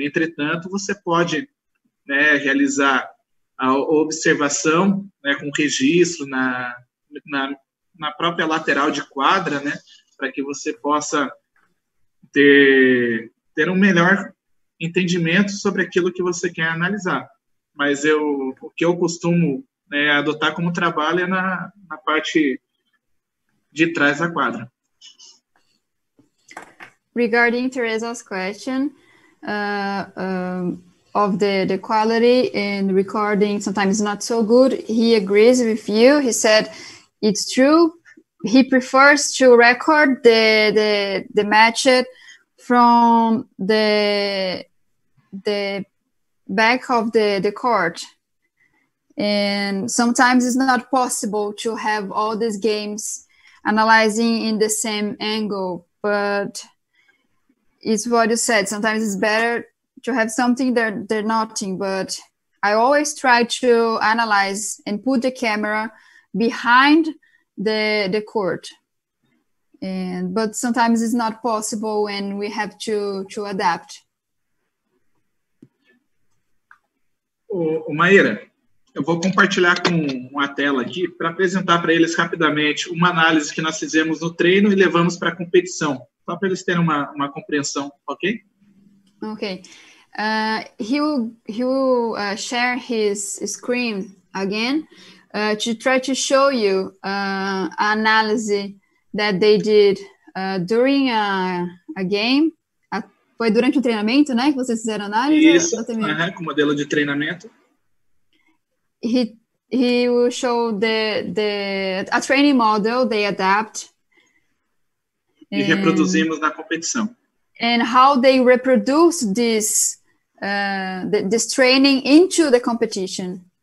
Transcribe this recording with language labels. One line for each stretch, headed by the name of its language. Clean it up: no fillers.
Portuguese: Entretanto, você pode, né, realizar a observação, né, com registro na própria lateral de quadra, né, para que você possa ter um melhor entendimento sobre aquilo que você quer analisar. Mas o que eu costumo, né, adotar como trabalho é na parte de trás da quadra.
English: Regarding Teresa's question of the quality and recording sometimes not so good, he agrees with you. He said it's true. He prefers to record the match from the back of the court. And sometimes it's not possible to have all these games analyzing in the same angle, but it's what you said. Sometimes it's better to have something that they're nothing, but I always try to analyze and put the camera behind the court. And but sometimes it's not possible and we have to adapt.
Portuguese: Ô, Maíra, eu vou compartilhar com a tela aqui para apresentar para eles rapidamente uma análise que nós fizemos no treino e levamos para a competição, só para eles terem uma compreensão, ok? Ok.
English: He will share his screen again to try to show you analysis that they did during a game.
Portuguese: Foi durante o treinamento, né, que vocês fizeram análise? Isso, com modelo de treinamento.
English: He will show a training model they adapt.
Portuguese: E reproduzimos na competição.
English: And how they reproduce this this training into the competition.